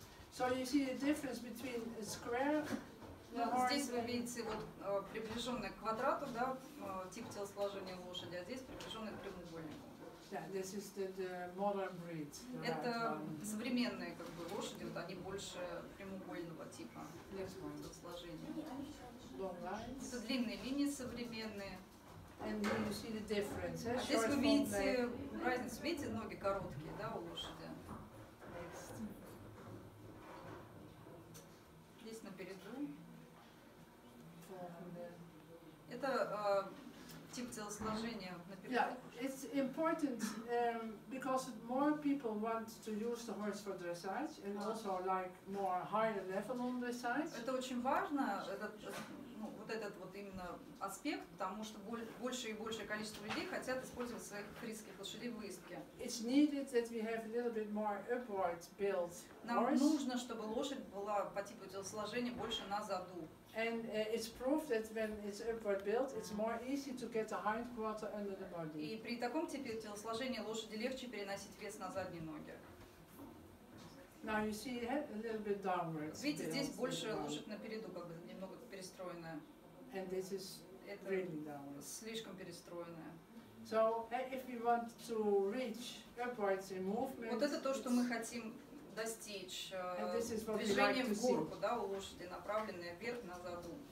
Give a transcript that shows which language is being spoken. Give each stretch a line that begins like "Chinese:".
English: So you see the difference between a square.
Russian: Ну, здесь вы видите вот приближенный к квадрату, да, тип телосложения лошади, а здесь приближенный к прямоугольнику.
English: Yeah, this is the modern breed.
Russian: Это современные как бы лошади, вот они больше прямоугольного типа. Сложения. Это длинные линии современные.
English: And you see the difference.
Russian: А здесь вы видите разницу, видите, ноги короткие, да, у лошади.
English: Next.
Russian: Здесь на переду. Это тип телосложения наперед.
English: Yeah, it's important because more people want to use the horse for dressage and also like more higher level on dressage.
Russian: Это очень важно, этот, ну, вот этот вот именно аспект, потому что больше и большее количество людей хотят использовать своих фрисских лошадей в выездке.
English: It's needed that we have a little bit more upward build.
Russian: Нам нужно, чтобы лошадь была по типу телосложения больше на заду.
English: And it's proof that when it's upward built, it's more easy to get the hind quarter under the body.
Russian: И при таком типе телосложения лошади легче переносить вес на задние ноги.
English: Now you see head a little bit downwards.
Russian: Видите, здесь больше лошадь на переду, как бы немного перестроенная.
English: And this is really downwards.
Russian: Слишком перестроенная.
English: So if we want to reach upwards in movement.
Russian: Вот это то, что мы хотим достичь движением
English: like
Russian: в горку, да, у лошади, направленное вверх на заду.